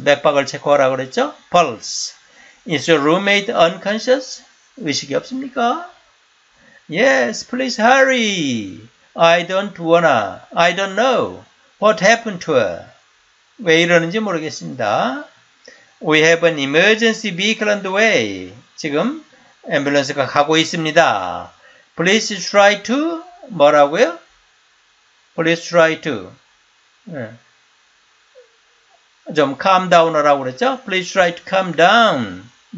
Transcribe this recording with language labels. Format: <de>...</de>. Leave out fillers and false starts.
<ko>맥박을 체크하라고 그랬죠?</ko> <en>Pulse. Is your roommate unconscious?</en> <ko>의식이 없습니까?</ko> <en>Yes, please hurry. I don't know what happened to her.</en> <ko>왜 이러는지 모르겠습니다.</ko> <en>We have an emergency vehicle on the way.</en> <ko>지금 앰뷸런스가 가고 있습니다.</ko> <en>Please try to,</en> <ko>뭐라고요?</ko> <en>Please try to.</en> <ko>좀 calm down 하라고 그랬죠?</ko> <en>Please try to calm down.</en>